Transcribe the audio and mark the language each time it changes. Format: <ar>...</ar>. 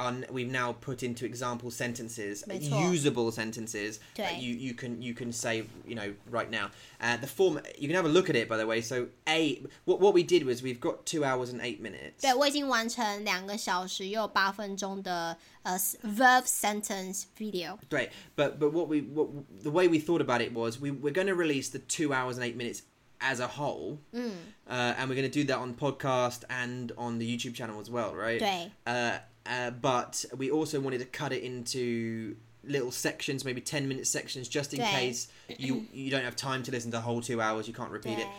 <en>We've now put into example sentences, usable sentences that you can say you know right now. The form you can have a look at it by the way. So what we did was we've got 2 hours and 8 minutes.</en> <zh>对，我已经完成2小时又8分钟的。</zh> <en>Verb sentence video. Great, but what the way we thought about it was we're going to release the 2 hours and 8 minutes as a whole, and we're going to do that on podcast and on the YouTube channel as well, right?</en> <zh>对.</zh> <en>But we also wanted to cut it into little sections, maybe 10-minute sections, just in case you don't have time to listen to the whole 2 hours, you can't repeat it.</en>